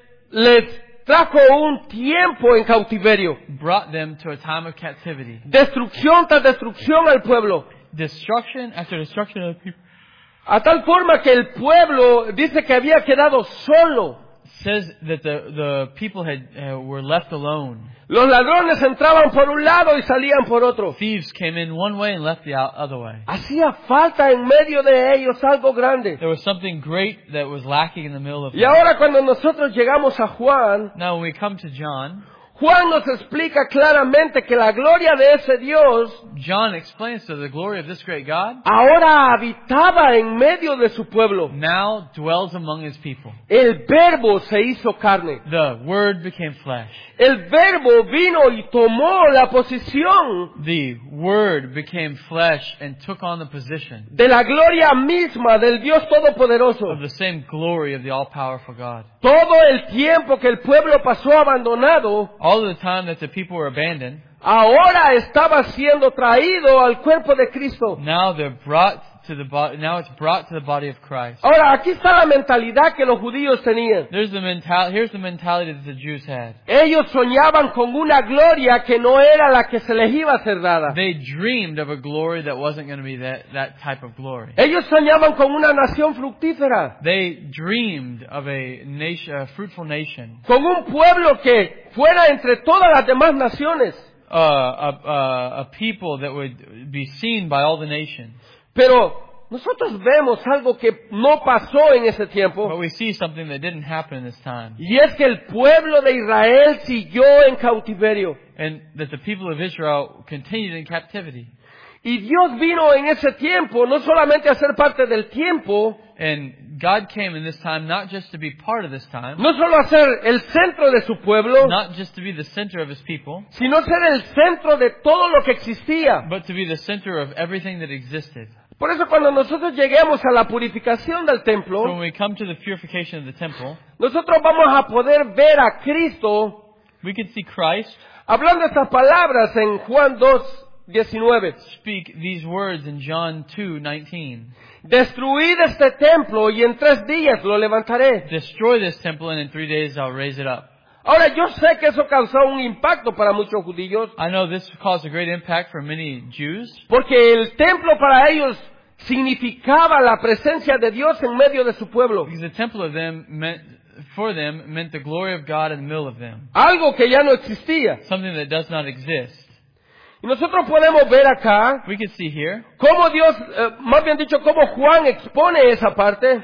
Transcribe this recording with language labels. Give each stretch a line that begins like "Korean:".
Spanish: les trajo un tiempo en cautiverio.
English: Brought them to a time of captivity.
Spanish: Destrucción tras destrucción al pueblo.
English: Destruction after destruction of people.
Spanish: A tal forma que el pueblo dice que había quedado solo.
English: Says that the people had were left alone.
Spanish: Los ladrones entraban por un lado y salían por otro.
English: Thieves came in one way and left the other way.
Spanish: Hacía falta en medio de ellos algo grande.
English: There was something great that was lacking in the middle of them.
Spanish: Y ahora cuando nosotros llegamos a Juan,
English: now when we come to John,
Spanish: Juan nos explica claramente que la gloria de ese Dios,
English: John explains to the glory of this great God,
Spanish: ahora habitaba en medio de su pueblo.
English: Now dwells among his people.
Spanish: El verbo se hizo carne.
English: The word became flesh.
Spanish: El verbo vino y tomó la posición.
English: The word became flesh and took on the position.
Spanish: De la gloria misma del Dios Todopoderoso.
English: Of the same glory of the all-powerful God.
Spanish: Todo el tiempo que el pueblo pasó abandonado,
English: all the time that the people were abandoned,
Spanish: ahora estaba siendo traído al cuerpo de Cristo.
English: Now they're brought to the body, now it's brought to the body of Christ.
Spanish: Ahora, aquí está la mentalidad que los judíos tenían.
English: Here's the mentality that the Jews had.
Spanish: Ellos soñaban con una gloria que no era la que se les iba a ser dada.
English: They dreamed of a glory that wasn't going to be that type of glory.
Spanish: Ellos soñaban con una nación fructífera.
English: They dreamed of a fruitful nation.
Spanish: Con un pueblo que fuera entre todas las demás naciones.
English: A people that would be seen by all the nations.
Spanish: Pero nosotros vemos algo que no pasó en ese tiempo.
English: But we see something that didn't happen in this time.
Spanish: Y es que el pueblo de Israel siguió en cautiverio.
English: And that the people of Israel continued in captivity.
Spanish: Y Dios vino en ese tiempo, no solamente a ser parte del tiempo.
English: And God came in this time not just to be part of this time,
Spanish: no solo a ser el centro de su pueblo,
English: not just to be the center of his people,
Spanish: sino ser el centro de todo lo que existía,
English: but to be the center of everything that existed.
Spanish: Por eso cuando nosotros lleguemos a la purificación del templo,
English: so when we come to the purification of the temple,
Spanish: nosotros vamos a poder ver a Cristo,
English: we can see Christ,
Spanish: hablando estas palabras en Juan 2:19.
English: Speak these words in John 2:19.
Spanish: Destruid este templo y en tres días lo levantaré.
English: Destroy this temple and in 3 days I'll raise it up.
Spanish: Ahora yo sé que eso causó un impacto para muchos judíos.
English: I know this caused a great impact for many Jews.
Spanish: Porque el templo para ellos significaba la presencia de Dios en medio de su pueblo.
English: Because the temple of them meant, for them meant the glory of God in the middle of them.
Spanish: Algo que ya no existía.
English: Something that does not exist.
Spanish: Y nosotros podemos ver acá,
English: we can see here,
Spanish: cómo Dios, más bien dicho, cómo Juan expone esa parte,